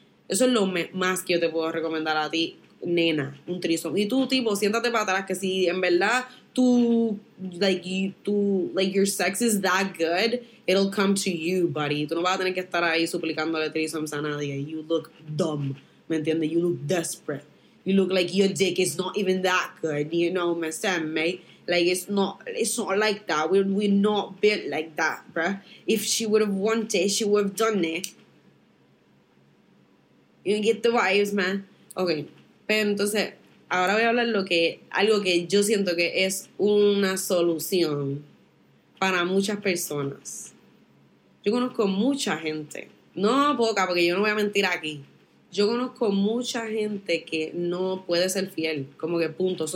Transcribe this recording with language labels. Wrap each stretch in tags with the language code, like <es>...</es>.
<es>Eso es lo más que yo te puedo recomendar a ti, nena, un trisom. Y tú, tipo, siéntate para atrás, que si en verdad tú,</es> <en>your sex is that good, it'll come to you, buddy.</en> <es>Tú no vas a tener que estar ahí suplicándole trisoms a nadie.</es> <en>You look dumb,</en> <es>¿me entiendes?</es> <en>You look desperate. You look like your dick is not even that good, you know, Mr. Mate. Like, it's not like that. We're not built like that, bruh. If she would have wanted, she would have done it. You get the vibes, man. Okay.</en> <es>Pero entonces, ahora voy a hablar algo que yo siento que es una solución para muchas personas. Yo conozco mucha gente. No poca, porque yo no voy a mentir aquí. Yo conozco mucha gente que no puede ser fiel. Como que punto.</es>